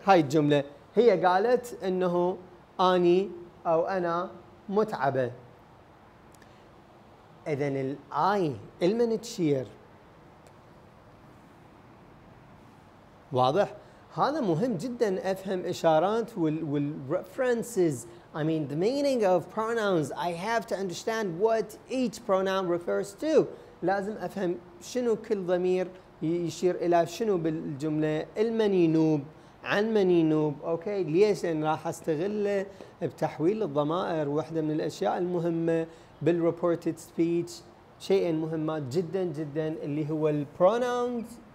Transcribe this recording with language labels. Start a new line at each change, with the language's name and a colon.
Arabic: هاي الجملة هي قالت أنه أني أو أنا متعبة. إذن الـ I المن تشير؟ واضح؟ هذا مهم جدا أفهم إشارات وال references.
English: I mean the meaning of pronouns. I have to understand what each pronoun refers to.
Arabic: لازم أفهم شنو كل ضمير يشير إلى شنو بالجملة. المن ينوب، عن من ينوب. أوكي ليش؟ لأن راح أستغله بتحويل الضمائر، واحدة من الأشياء المهمة بال reported speech. شيء مهم جدا جدا اللي هو ال pronouns.